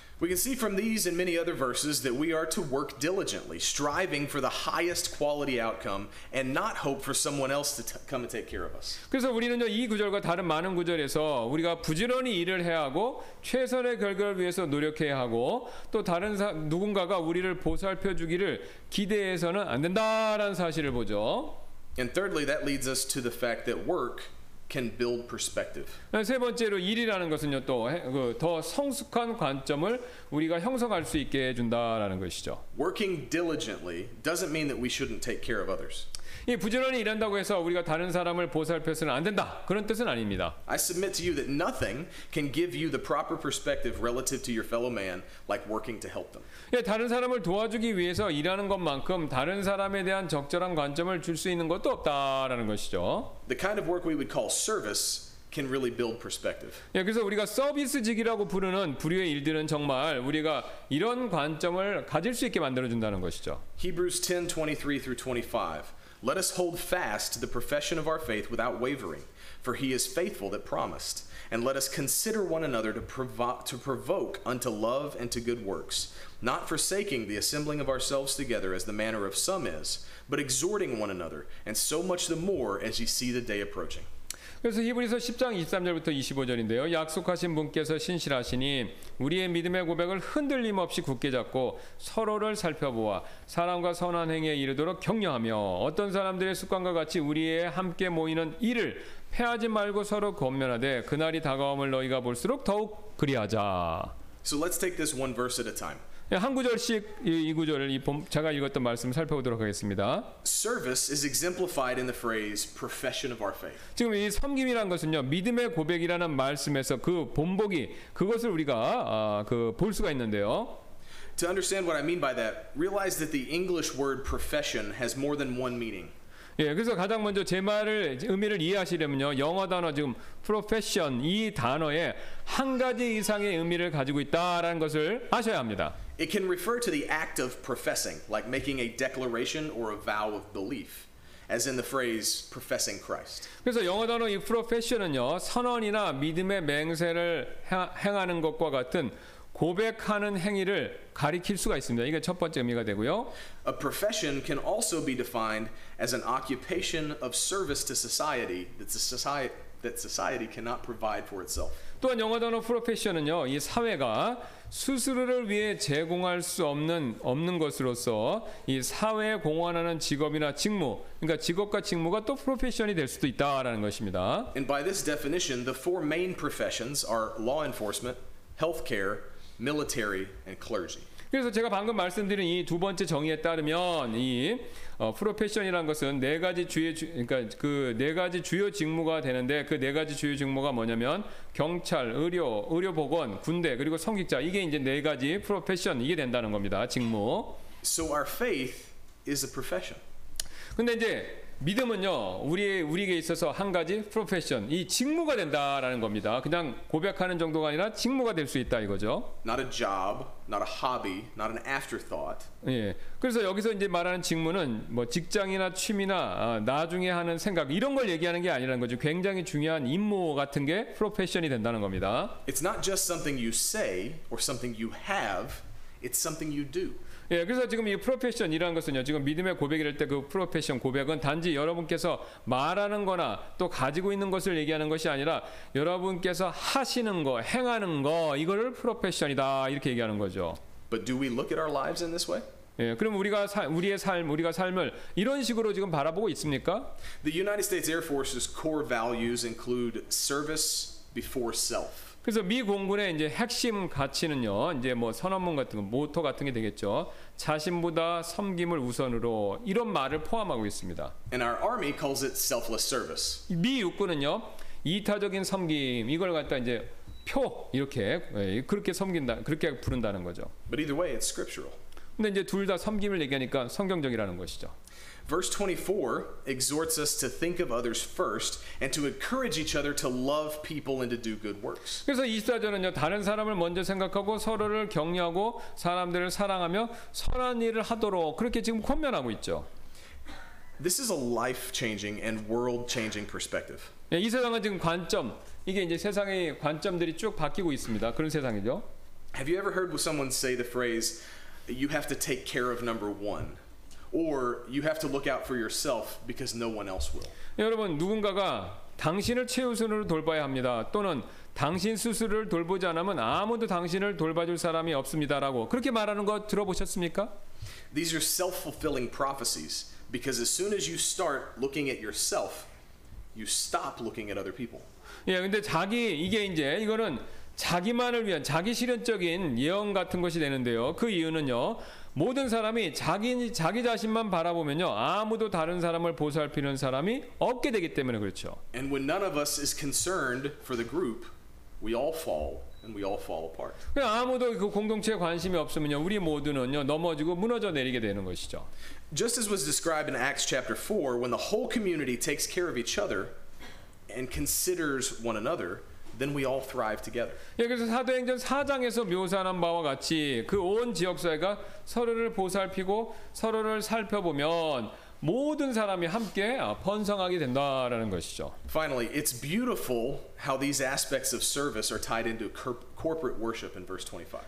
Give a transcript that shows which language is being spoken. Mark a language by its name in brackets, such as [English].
[English] We can see from these and many other verses that we are to work diligently, striving for the highest quality outcome and not hope for someone else to come and take care of us. [Korean] 그래서 우리는요, 이 구절과 다른 많은 구절에서 우리가 부지런히 일을 해야 하고 최선의 결과를 위해서 노력해야 하고 또 다른 누군가가 우리를 보살펴 주기를 기대해서는 안 된다라는 사실을 보죠. [English] And thirdly, that leads us to the fact that work can build perspective. [Korean] 세 번째로 일이라는 것은요 또 그 더 성숙한 관점을 우리가 형성할 수 있게 해준다라는 것이죠. [English] Working diligently doesn't mean that we shouldn't take care of others. [Korean] 이 부지런히 일한다고 해서 우리가 다른 사람을 보살펴서는 안 된다 그런 뜻은 아닙니다. [English] I submit to you that nothing can give you the proper perspective relative to your fellow man like working to help them. [Korean] 예, 다른 사람을 도와주기 위해서 일하는 것만큼 다른 사람에 대한 적절한 관점을 줄 수 있는 것도 없다라는 것이죠. [English] The kind of work we would call service can really build perspective. [Korean] 예, 그래서 우리가 서비스직이라고 부르는 부류의 일들은 정말 우리가 이런 관점을 가질 수 있게 만들어 준다는 것이죠. [English] Hebrews 10:23-25. Let us hold fast the profession of our faith without wavering, for he is faithful that promised. And let us consider one another to provoke unto love and to good works, not forsaking the assembling of ourselves together as the manner of some is, but exhorting one another, and so much the more as ye see the day approaching. [Korean] 그래서 히브리서 10장 23절부터 25절인데요. 약속하신 분께서 신실하시니 우리의 믿음의 고백을 흔들림 없이 굳게 잡고 서로를 살펴보아 사람과 선한 행위에 이르도록 격려하며 어떤 사람들의 습관과 같이 우리의 함께 모이는 일을 폐하지 말고 서로 권면하되 그날이 다가옴을 너희가 볼수록 더욱 그리하자. [English] So let's take this one verse at a time. [Korean] 한 구절씩 이 구절을 제가 읽었던 말씀을 살펴보도록 하겠습니다. [English] Service is exemplified in the phrase profession of our faith. [Korean] 지금 이 섬김이란 것은요 믿음의 고백이라는 말씀에서 그 본보기 그것을 우리가 그 볼 수가 있는데요. [English] To understand what I mean by that, realize that the English word profession has more than one meaning. [Korean] 예, 그래서 가장 먼저 제 말을 의미를 이해하시려면요 영어 단어 지금 profession 이 단어에 한 가지 이상의 의미를 가지고 있다라는 것을 아셔야 합니다. [English] It can refer to the act of professing, like making a declaration or a vow of belief, as in the phrase professing Christ. [Korean] 그래서 영어 단어 이 profession은요 선언이나 믿음의 맹세를 행하는 것과 같은 고백하는 행위를 가리킬 수가 있습니다. 이게 첫 번째 의미가 되고요. [English] A profession can also be defined as an occupation of service to society that society cannot provide for itself. [Korean] 또한 영어 단어 profession은요, 이 사회가 스스로를 위해 제공할 수 없는 것으로서 이 사회에 공헌하는 직업이나 직무, 그러니까 직업과 직무가 또 profession이 될 수도 있다라는 것입니다. [English] And by this definition, the four main professions are law enforcement, healthcare, military, and clergy. [Korean] 그래서 제가 방금 말씀드린 이 두 번째 정의에 따르면 이 프로페션이라는 것은 네 가지 주요 그러니까 그 네 가지 주요 직무가 되는데 그 네 가지 주요 직무가 뭐냐면 경찰, 의료 보건, 군대 그리고 성직자 이게 이제 네 가지 프로페션 이게 된다는 겁니다. 직무. [English] So our faith is a profession. [Korean] 근데 이제 믿음은요. 우리에게 있어서 한 가지 프로페션, 이 직무가 된다라는 겁니다. 그냥 고백하는 정도가 아니라 직무가 될 수 있다 이거죠. [English] Not a job, not a hobby, not an afterthought. [Korean] 예. 그래서 여기서 이제 말하는 직무는 뭐 직장이나 취미나 나중에 하는 생각 이런 걸 얘기하는 게 아니라는 거죠. 굉장히 중요한 임무 같은 게 프로페션이 된다는 겁니다. [English] It's not just something you say or something you have. It's something you do. [Korean] 예, 그래서 지금 이 프로페션이라는 것은요, 지금 믿음의 고백이랄 때 그 프로페션 고백은 단지 여러분께서 말하는 거나 또 가지고 있는 것을 얘기하는 것이 아니라 여러분께서 하시는 거, 행하는 거, 이거를 프로페션이다, 이렇게 얘기하는 거죠. [English] But do we look at our lives in this way? [Korean] 예, 그럼 우리가 삶을 이런 식으로 지금 바라보고 있습니까? [English] The United States Air Force's core values include service before self. [Korean] 그래서 미 공군의 이제 핵심 가치는요, 이제 뭐 선언문 같은 거, 모토 같은 게 되겠죠. 자신보다 섬김을 우선으로 이런 말을 포함하고 있습니다. [English] And our army calls it selfless service. [Korean] 미 육군은요, 이타적인 섬김 이걸 갖다 이제 표 이렇게 그렇게 섬긴다, 그렇게 부른다는 거죠. [English] But either way, it's scriptural. [Korean] 근데 이제 둘 다 섬김을 얘기하니까 성경적이라는 것이죠. [English] Verse 24 exhorts us to think of others first and to encourage each other to love people and to do good works. [Korean] 그래서 24절은요, 다른 사람을 먼저 생각하고 서로를 격려하고 사람들을 사랑하며 선한 일을 하도록 그렇게 지금 권면하고 있죠. [English] This is a life-changing and world-changing perspective. [Korean] 예, 이 세상은 지금 관점, 이게 이제 세상의 관점들이 쭉 바뀌고 있습니다. 그런 세상이죠. [English] Have you ever heard someone say the phrase you have to take care of number one? Or you have to look out for yourself because no one else will. [Korean] 여러분 누군가가 당신을 최우선으로 돌봐야 합니다. 또는 당신 스스로를 돌보지 않으면 아무도 당신을 돌봐줄 사람이 없습니다라고 그렇게 말하는 거 들어보셨습니까? [English] These are self-fulfilling prophecies because as soon as you start looking at yourself, you stop looking at other people. [Korean] 예, 근데 자기 이게 이제 이거는 자기만을 위한 자기 실현적인 예언 같은 것이 되는데요. 그 이유는요. 모든 사람이 자기 자신만 바라보면요, 아무도 다른 사람을 보살피는 사람이 없게 되기 때문에 그렇죠. [English] And when none of us is concerned for the group, we all fall and we all fall apart. [Korean] 아무도 그 공동체에 관심이 없으면요, 우리 모두는요 넘어지고 무너져 내리게 되는 것이죠. [English] Just as was described in Acts chapter 4, when the whole community takes care of each other and considers one another, then we all thrive together. [Korean] 여기서 사도행전 4장에서 묘사한 바와 같이 그 온 지역 사회가 서로를 보살피고 서로를 살펴보면 모든 사람이 함께 번성하게 된다라는 것이죠. [English] Finally, it's beautiful how these aspects of service are tied into corporate worship in verse 25.